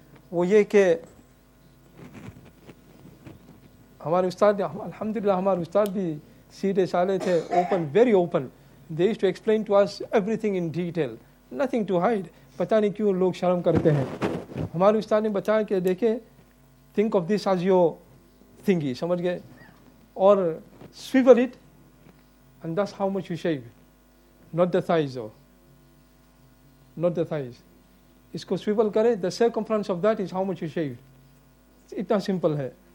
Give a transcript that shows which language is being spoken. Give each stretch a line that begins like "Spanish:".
Urdu: وہ یہ کہ ہمارے استاد الحمدللہ ہمارے استاد بھی سیدھے سالے تھے
English: open, very open. They used to explain to us everything in detail. Nothing to hide.
Urdu: پتہ نہیں کیوں لوگ شرم کرتے ہیں. ہمارے استاد نے بتایا کہ دیکھیں,
English: think of this as your thingy,
Urdu: سمجھ گئے,
English: or swivel it and that's how much you shave. Not the thighs.
Urdu: اس کو سویبل کرے,
English: the circumference of that is how much you shaved.
Urdu: اتنا سمپل ہے.